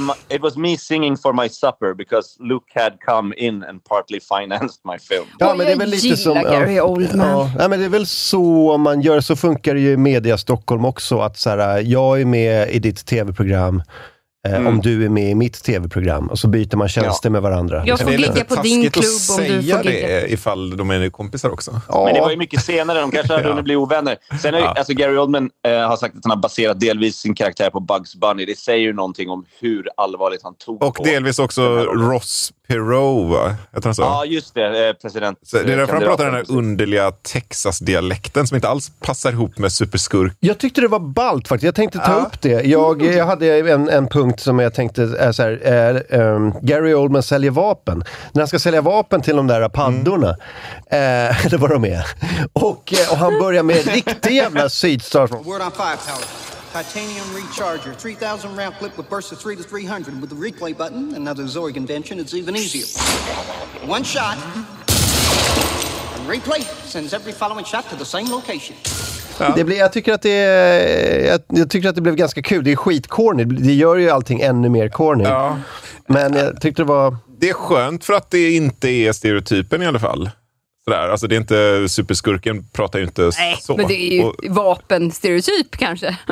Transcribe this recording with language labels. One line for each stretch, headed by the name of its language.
English: It was me singing for my supper because Luke had come in and partly financed my film.
Swedish: Ja, men det är väl lite som Gary Oldman. Ja, men det är väl så om man gör så funkar det ju i Media Stockholm också, att så här, jag är med i ditt tv-program. Om du är med i mitt tv-program. Och så byter man tjänster med varandra. Jag får ligga på din klubb om du får det, ifall de är kompisar också. Men det var ju mycket senare, de kanske hade hunnit bli ovänner. Sen är alltså Gary Oldman har sagt att han har baserat delvis sin karaktär på Bugs Bunny. Det säger ju någonting om hur allvarligt han tog Och delvis också Ross Perot. Ja, just det, president. Så det är därför han pratar den här underliga Texas-dialekten som inte alls passar ihop med superskurk. Jag tyckte det var ballt faktiskt. Jag tänkte ta upp det. Jag hade en punkt som jag tänkte är så här, Gary Oldman säljer vapen. När han ska sälja vapen till de där paddorna, eller vad de är. Och han börjar med riktigt jävla sydstars.
English: Word on five, Tyler. Titanium recharger, 3000 round clip with bursts of 300 to 300. With the replay button, another Zorg invention, it's even easier. One shot. And replay sends every following shot to the same location.
Swedish: Jag tycker att det blev ganska kul. Det är skitcorny. Det gör ju allting ännu mer corny. Ja. Men jag tyckte det var... Det är skönt för att det inte är stereotypen i alla fall. Sådär. Alltså det är inte... Superskurken pratar ju inte så. Nej, men det är ju vapenstereotyp kanske.